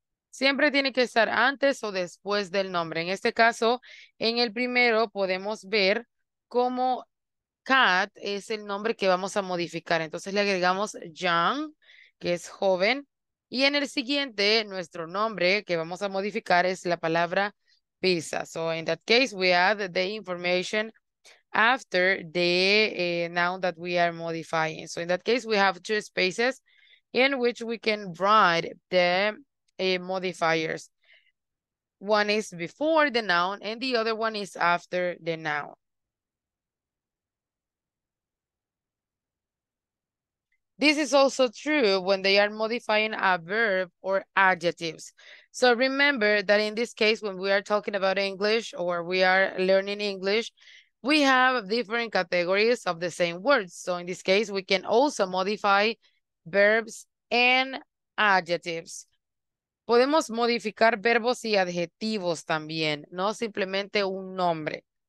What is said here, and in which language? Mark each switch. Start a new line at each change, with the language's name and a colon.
Spanish: Siempre tiene que estar antes o después del nombre. En este caso, en el primero podemos ver cómo Kat es el nombre que vamos a modificar. Entonces le agregamos young, que es joven. Y en el siguiente, nuestro nombre que vamos a modificar es la palabra pizza.
English: So in that case, we add the information after the noun that we are modifying. So in that case, we have two spaces in which we can write the modifiers. One is before the noun and the other one is after the noun. This is also true when they are modifying a verb or adjectives. So remember that in this case, when we are talking about English or we are learning English, we have different categories of the same words. So in this case, we can also modify verbs and adjectives.
Spanish: Podemos modificar verbos y adjetivos también, no simplemente un nombre.